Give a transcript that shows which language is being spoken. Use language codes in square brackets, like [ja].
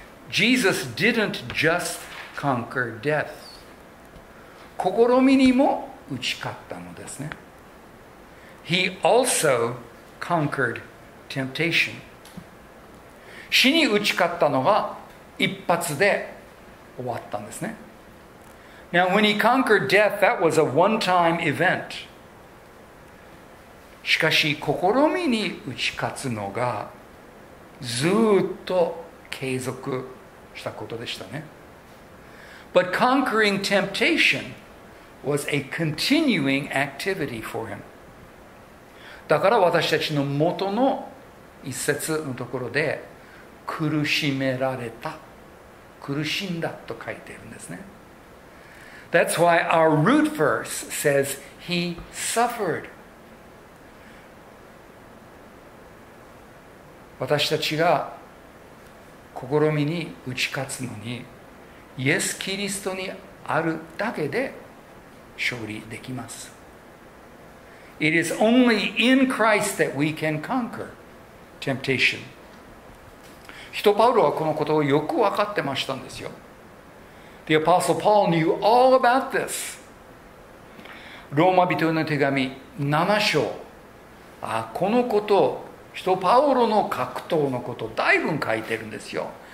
[en] Jesus didn't just conquer death. [ja] 試みにも打ち勝ったのですね。 [en] He also conquered temptation. [ja] 死に打ち勝ったのが一発で終わったんですね。 [en] Now, when he conquered death, that was a one-time event. [ja] しかし試みに打ち勝つのがずっと継続したことでしたね。 [en] But conquering temptation was a continuing activity for him. [ja] だから私たちの元の一節のところで苦しめられた、苦しんだと書いてるんですね。 [en] That's why our root verse says he suffered. [ja] 私たちが試みに打ち勝つのにイエス・キリストにあるだけで勝利できます。 [en] It is only in Christ that we can conquer temptation. [ja] 人パウロはこのことをよく分かってましたんですよ。 [en] The Apostle Paul knew all about this. [ja] ローマ人への手紙7章、このことを人パウロの格闘のことをだいぶ書いてるんですよ。